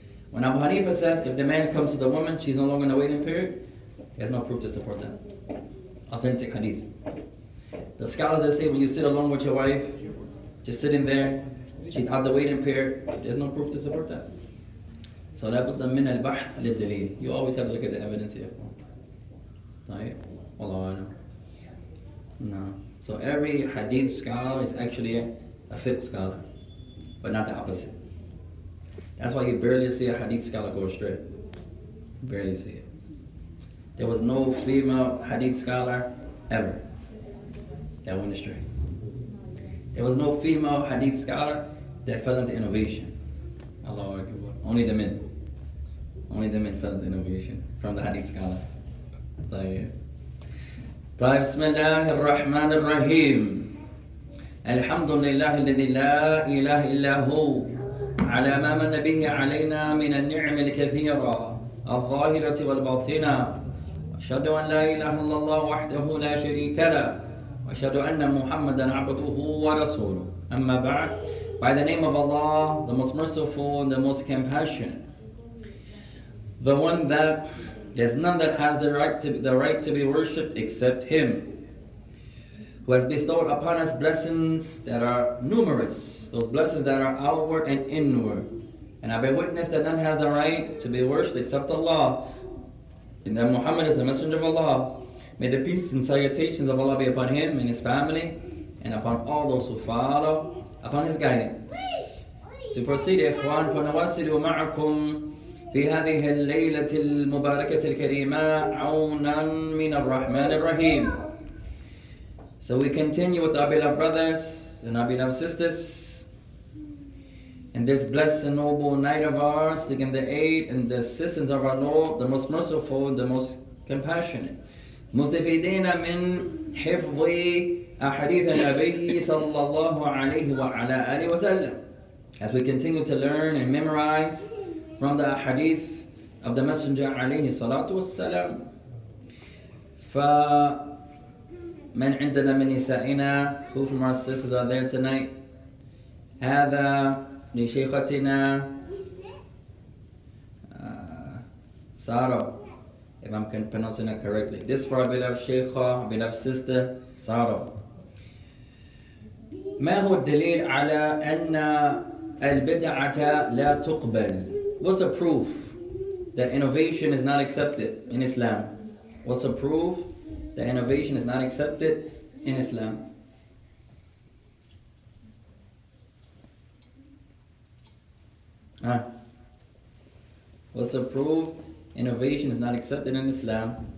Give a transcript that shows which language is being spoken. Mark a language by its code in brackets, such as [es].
[en] When Abu Hanifa says, if the man comes to the woman, she's no longer in the waiting period, there's no proof to support that. Authentic hadith. The scholars that say, when you sit alone with your wife, just sitting there, she's out the waiting period, there's no proof to support that. [ar] So لابد من البحث للدليل. [en] You always have to look at the evidence here. [ar] طيب والله أعلم. [en] No. So every hadith scholar is actually a fiqh scholar, but not the opposite. That's why you barely see a hadith scholar go astray. Barely see it. There was no female hadith scholar ever that went astray. There was no female hadith scholar that fell into innovation. Allah Akbar. Only the men. Only the men felt innovation from the hadith scholar. [ar] طيب بسم الله الرحمن الرحيم الحمد لله الذي لا إله إلا هو على ما من به علينا من النعم الكثيرة الظاهرة والباطنة أشهد أن لا إله إلا الله وحده لا شريك له وأشهد أن محمدا عبده ورسوله أما بعد. [en] By the name of Allah, the most merciful and the most compassionate, the one that there's none that has the right to be worshipped except Him, who has bestowed upon us blessings that are numerous, those blessings that are outward and inward. And I bear witness that none has the right to be worshipped except Allah, and that Muhammad is the Messenger of Allah. May the peace and salutations of Allah be upon him and his family, and upon all those who follow, upon his guidance. To proceed, [ar] Ikhwan, فنواصل معكم في هذه الليلة المباركة الكريمة عونا من الرحمن الرحيم. [en] So we continue with our beloved brothers and our beloved sisters in this blessed and noble night of ours, seeking the aid and the assistance of our Lord, the most merciful and the most compassionate. [ar] مستفيدين من حفظ أحاديث النبي صلى الله عليه وعلى آله وسلم. [en] As we continue to learn and memorize from the Hadith of the Messenger [ar] عليه الصلاة والسلام. فمن عندنا من نسائنا, [en] who from our sisters are there tonight? [ar] هذا لشيختنا سارة. [en] If I'm pronouncing it correctly. This for our beloved Sheikha, our beloved sister, Sara. [ar] ما هو الدليل على أن البدعة لا تقبل? [en] What's the proof that innovation is not accepted in Islam? What's the proof that innovation is not accepted in Islam? Huh? What's the proof? Innovation is not accepted in Islam.